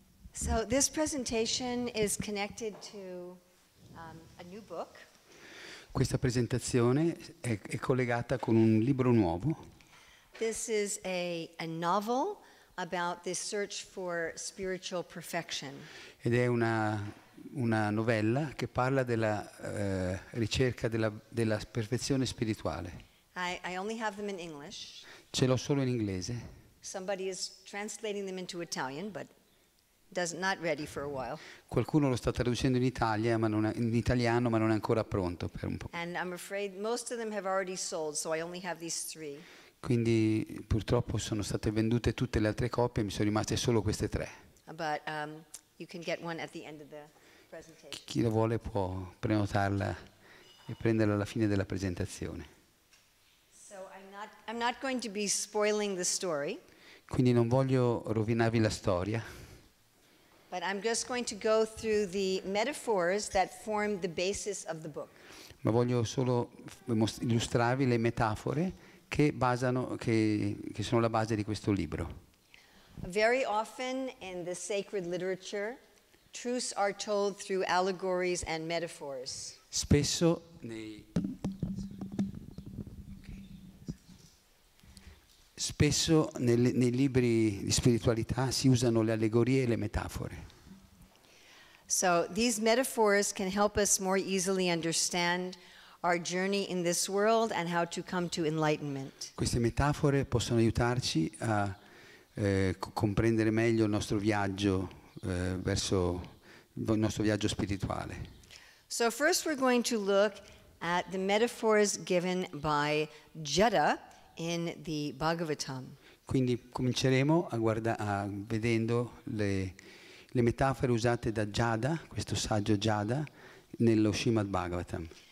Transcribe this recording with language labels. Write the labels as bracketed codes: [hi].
[en] So this presentation is connected to a new book. [it] Questa presentazione è collegata con un libro nuovo. [en] This is a novel about the search for spiritual perfection. [it] Ed è una novella che parla della ricerca della perfezione spirituale. [en] I only have them in English. [it] Ce l'ho solo in inglese. [en] Somebody is translating them into Italian, but not ready for a while. [it] Qualcuno lo sta traducendo in italiano, ma non è ancora pronto per un po'. [en] And I'm afraid most of them have already sold, so I only have these three. [it] Quindi purtroppo sono state vendute tutte le altre copie e mi sono rimaste solo queste tre. [en] But you can get one at the end of the. [it] Chi lo vuole può prenotarla e prenderla alla fine della presentazione. [en] So I'm not going to be spoiling the story. [it] Quindi non voglio rovinarvi la storia. [en] But I'm just going to go through the metaphors that form the basis of the book. [it] Ma voglio solo illustrarvi le metafore che sono la base di questo libro. [en] Very often in the sacred literature, truths are told through allegories and metaphors. [it] Spesso nei libri di spiritualità si usano le allegorie e le metafore. [en] So these metaphors can help us more easily understand our journey in this world and how to come to enlightenment. [it] Queste metafore possono aiutarci a comprendere meglio il nostro viaggio verso il nostro viaggio spirituale. [en] So first we're going to look at the metaphors given by Jada in the Bhagavatam. [it] Quindi cominceremo vedendo le metafore usate da Jada, questo saggio Jada, nello Srimad Bhagavatam.